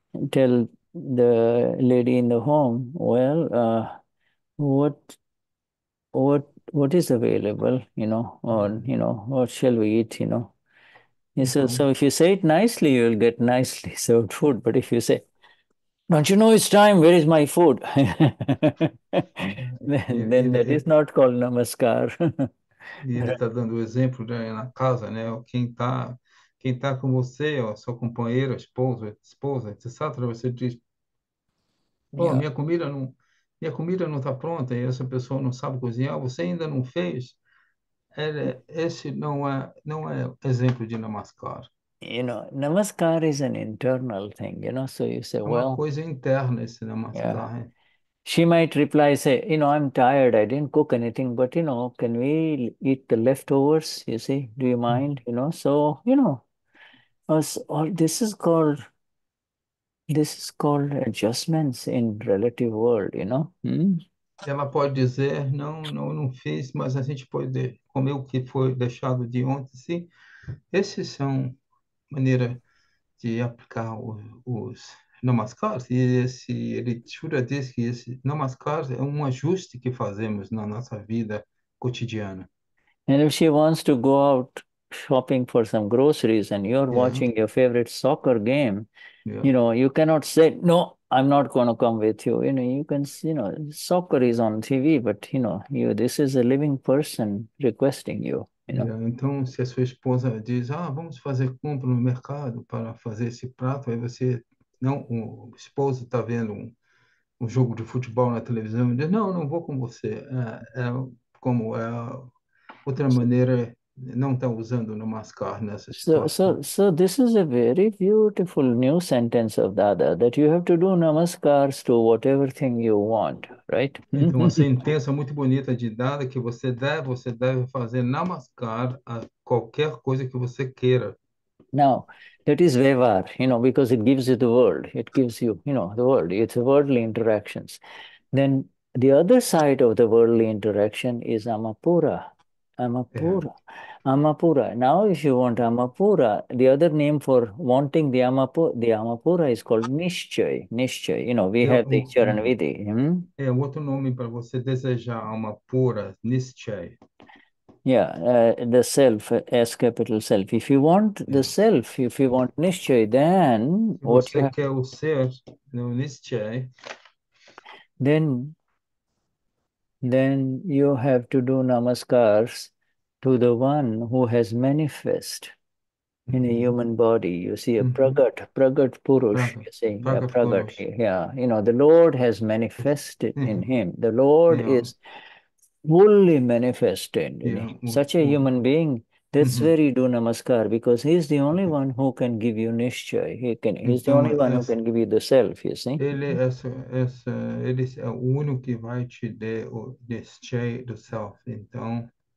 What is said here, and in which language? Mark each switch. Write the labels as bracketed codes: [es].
[en] tell the lady in the home, well, what is available, you know, or you know, what shall we eat, you know. He says, so if you say it nicely, you'll get nicely served food. But if you say, don't you know it's time, where is my food? then that is not called namaskar. [pt] E ele está dando o exemplo, né, na casa, né? Quem tá com você, ó, sua companheira, esposa, etc. Você diz, oh, minha comida não está pronta e essa pessoa não sabe cozinhar. Você ainda não fez? Esse não é exemplo de namaskar. [en] You know, namaskar is an internal thing. You know, so you say, [pt] é uma [en] well, [pt] coisa interna esse namaskar. [en] Yeah. She might reply, say, you know, I'm tired, I didn't cook anything, but, you know, can we eat the leftovers, you see, do you mind, you know, so, you know, this is called adjustments in relative world, you know. [pt] Ela pode dizer, não fiz, mas a gente pode comer o que foi deixado de ontem, sim. Essas são maneiras de aplicar os namaskars, e ele jura diz que esse namaskar é um ajuste que fazemos na nossa vida cotidiana. [en] And if she wants to go out shopping for some groceries and you're watching your favorite soccer game, you know, you cannot say, no, I'm not going to come with you. You know, you can, you know, soccer is on TV, but, you know, this is a living person requesting you, you know. [pt] Então, se a sua esposa diz, ah, vamos fazer compra no mercado para fazer esse prato, aí você, não, o esposo está vendo um jogo de futebol na televisão e diz, não, não vou com você. É outra maneira, não está usando no mascar nessa situação. [en] So this is a very beautiful new sentence of Dada, that you have to do namaskars to whatever thing you want, right? [pt] Então, a sentença muito bonita de Dada que você deve fazer namaskar a qualquer coisa que você queira. [en] Now, that is vevar, you know, because it gives you the world. It gives you, you know, the world. It's worldly interactions. Then the other side of the worldly interaction is amapura. Amapura. Amapura. Now, if you want amapura, the other name for wanting the amapura is called nishchay. Nishchay. You know, we have the charanavidhi. [pt] É outro nome para você desejar amapura, nishchay. [en] The self, S capital self. If you want the self, if you want nishchay, then [pt] Se [en] what you [pt] você [en] have? [pt] quer o ser no nishchay. [en] Then you have to do namaskars to the one who has manifest in a human body. You see, a pragat purush, you see, a pragat, yeah. You know, the Lord has manifested in him. The Lord is fully manifested in him. Such a human being, that's where you do namaskar, because he is the only one who can give you nishchay. He's the only one who can give you the self, you see. [pt] Ele é o único que vai te dar o nishchay do self, então.